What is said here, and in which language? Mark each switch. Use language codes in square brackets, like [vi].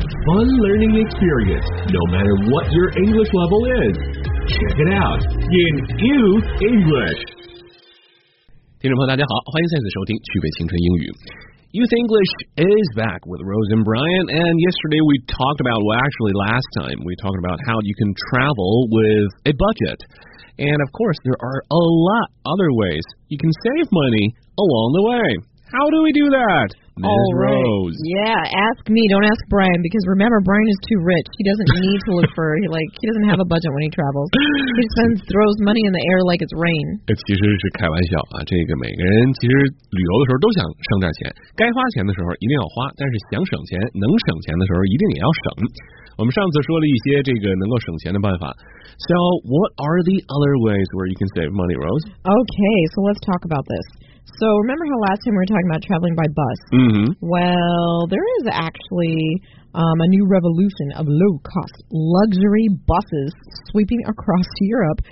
[en] Fun learning experience, no matter what your English level is. Check it out in Use English. [zh] 听众朋友大家好，欢迎再次收听趣味青春英语。 [en] Use English is back with Rose and Brian, and yesterday we talked about, well, actually last time, we talked about how you can travel with a budget. And of course, there are a lot other ways you can save money along the way. How do we do that, Ms. All Rose? Right. Yeah, ask me. Don't ask Brian, because remember, Brian is too rich. He doesn't need to look for, he doesn't have a budget when he travels. He spends, throws money in the air like it's rain. [zh] 其实是开玩笑啊，这个每个人其实旅游的时候都想省点钱，该花钱的时候一定要花，但是想省钱，能省钱的时候一定也要省。我们上次说了一些这个能够省钱的办法。 [en] So, what are the other ways where you can save money, Rose? Okay, so let's talk about this. So, remember how last time we were talking about traveling by bus? Mm-hmm. Well, there is actually, a new revolution of low-cost luxury buses sweeping across Europe.